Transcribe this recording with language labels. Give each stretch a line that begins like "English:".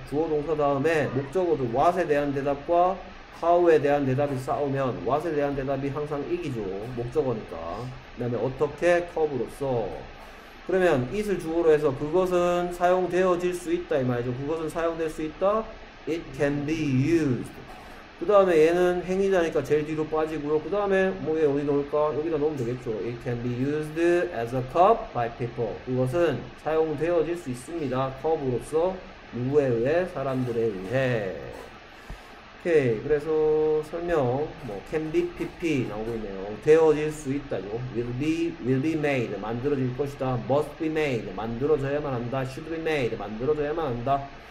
Korean: 주어 동사 다음에 목적어도 what에 대한 대답과 how에 대한 대답이 싸우면 what에 대한 대답이 항상 이기죠. 목적어니까. 그다음에 어떻게 컵으로써. 그러면 it을 주어로 해서 그것은 사용되어질 수 있다 이 말이죠. 그것은 사용될 수 있다.
English: It can be used.
Korean: 그 다음에 얘는 행위자니까 제일 뒤로 빠지고요. 그 다음에 뭐얘 어디 넣을까? 여기다 넣으면 되겠죠.
English: It can be used as a cup by people.
Korean: 그것은 사용되어질 수 있습니다. 컵으로서 누구에 의해? 사람들에 의해. 오케이. 그래서 설명. 뭐 can be pp 나오고 있네요. 되어질 수 있다죠.
English: will be made
Korean: 만들어질 것이다.
English: must be made
Korean: 만들어져야만 한다.
English: should be made
Korean: 만들어져야만 한다.